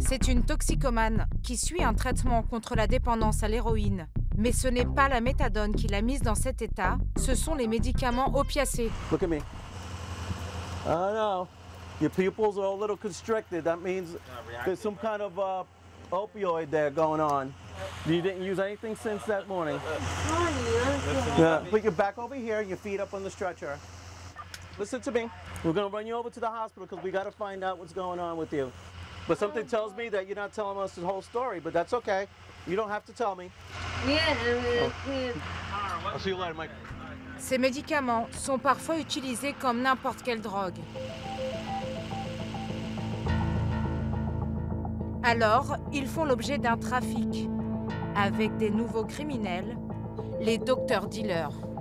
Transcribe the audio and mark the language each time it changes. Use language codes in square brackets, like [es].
[fr] C'est une toxicomane qui suit un traitement contre la dépendance à l'héroïne. Mais ce n'est pas la méthadone qui l'a mise dans cet état, ce sont les médicaments opiacés. [en] Look at me. I know. Your pupils are a little constricted. That means there's some kind of opioid there going on. You didn't use anything since that morning. Yeah. Put your back over here, your feet up on the stretcher. Listen to me. We're going to run you over to the hospital because we got to find out what's going on with you. But something tells me that you're not telling us the whole story, but that's okay. You don't have to tell me. Yeah. I'll see you later, Mike. [fr] Ces médicaments sont parfois utilisés comme n'importe quelle drogue. Alors, ils font l'objet d'un trafic avec des nouveaux criminels, les docteurs dealers.